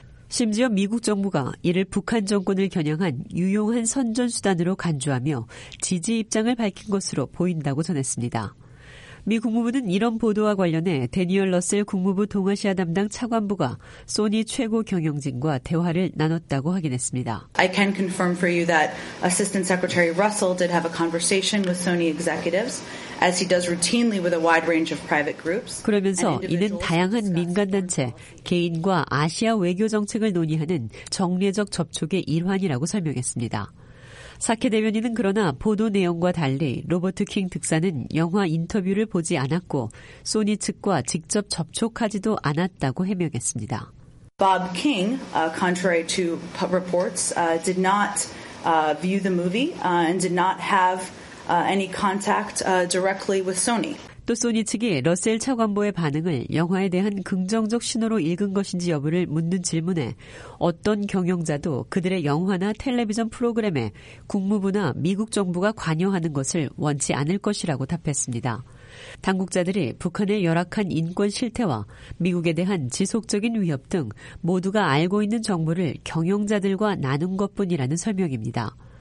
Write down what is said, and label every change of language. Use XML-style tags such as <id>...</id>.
<ko>심지어 미국 정부가 이를 북한 정권을 겨냥한 유용한 선전수단으로 간주하며 지지 입장을 밝힌 것으로 보인다고 전했습니다. 미 국무부는 이런 보도와 관련해 대니얼 러셀 국무부 동아시아 담당 차관부가 소니 최고 경영진과 대화를 나눴다고 확인했습니다.</ko> <en>I can confirm for you that Assistant Secretary Russell did have a conversation with Sony executives. As he does routinely with a wide range of private groups.</en> <ko>그러면서 이는 다양한 민간단체, 개인과 아시아 외교 정책을 논의하는 정례적 접촉의 일환이라고 설명했습니다. 사케 대변인은 그러나 보도 내용과 달리 로버트 킹 특사는 영화 인터뷰를 보지 않았고 소니 측과 직접 접촉하지도 않았다고 해명했습니다.</ko> <en>Bob King, contrary to reports, did not view the movie and did not have any contact directly with Sony.</en> <ko>또 소니 측이 러셀 차관보의 반응을 영화에 대한 긍정적 신호로 읽은 것인지 여부를 묻는 질문에 어떤 경영자도 그들의 영화나 텔레비전 프로그램에 국무부나 미국 정부가 관여하는 것을 원치 않을 것이라고 답했습니다. 당국자들이 북한의 열악한 인권 실태와 미국에 대한 지속적인 위협 등 모두가 알고 있는 정보를 경영자들과 나눈 것뿐이라는 설명입니다.</ko>